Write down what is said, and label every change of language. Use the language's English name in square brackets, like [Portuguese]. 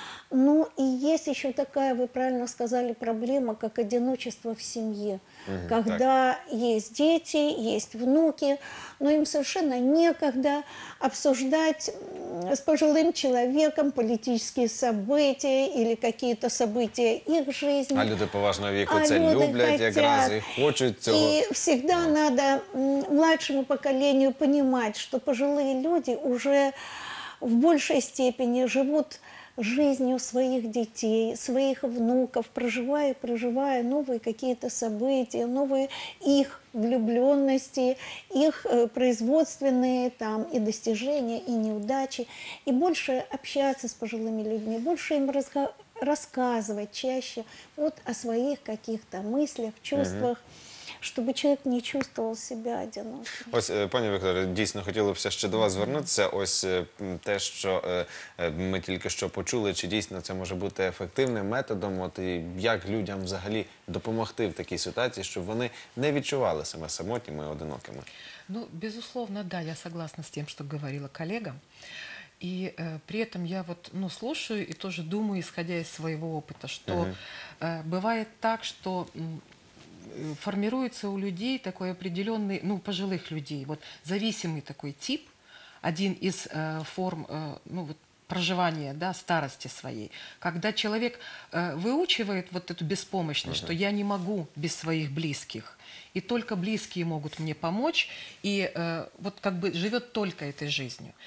[Russian] Ну, и есть еще такая, вы правильно сказали, проблема, как одиночество в семье. Когда так. Есть дети, есть внуки, но им совершенно некогда обсуждать с пожилым человеком политические события или какие-то события их жизни. [Ukrainian] А люди поважного віку це люблять якраз і хочуть цього. [Russian] И всегда надо младшему поколению понимать, что пожилые люди уже в большей степени живут жизнью своих детей, своих внуков, проживая новые какие-то события, новые их влюбленности, их производственные там и достижения, и неудачи, и больше общаться с пожилыми людьми, больше им рассказывать чаще вот о своих каких-то мыслях, чувствах. [Ukrainian] Щоб чоловік не чувствував себе одиноким. Ось, пані Вікторія, дійсно хотілося ще до вас звернутися. Ось те, що ми тільки що почули, чи дійсно це може бути ефективним методом, от і як людям взагалі допомогти в такій ситуації, щоб вони не відчували себе самотніми і одинокими. [Russian] Ну, безусловно, да, я согласна [Ukrainian] з тим, що говорила колега. [Russian] И при этом я вот, ну, слушаю и тоже думаю, исходя из своего опыта, что бывает так, что формируется у людей такой определенный, ну, пожилых людей, вот зависимый такой тип, один из форм ну, вот, проживания, да, старости своей, когда человек выучивает вот эту беспомощность, что я не могу без своих близких, и только близкие могут мне помочь, и вот как бы живет только этой жизнью.